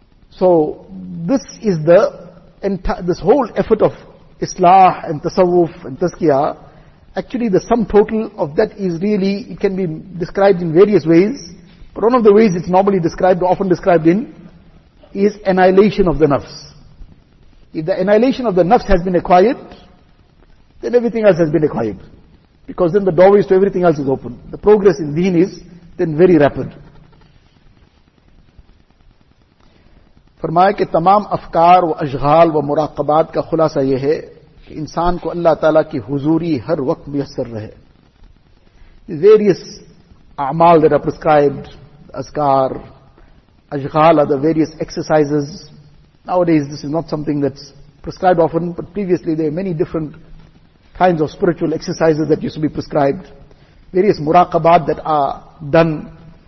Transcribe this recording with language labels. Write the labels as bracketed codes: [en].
[en] So this is this whole effort of islah and tasawwuf and tazkiyah, actually the sum total of that is really, it can be described in various ways, but one of the ways it's normally described, or often described in, is annihilation of the nafs. If the annihilation of the nafs has been acquired, then everything else has been acquired. Because then the doorways to everything else is open. The progress in deen is then very rapid. [ur] فرمایا کہ تمام افکار و اشغال و مراقبات کا خلاصہ یہ ہے کہ انسان کو اللہ تعالیٰ کی حضوری ہر وقت میسر رہے. [en] The various اعمال that are prescribed, اذکار, اشغال are the various exercises. Nowadays this is not something that's prescribed often, but previously there are many different kinds of spiritual exercises that used to be prescribed, various muraqabat that are done.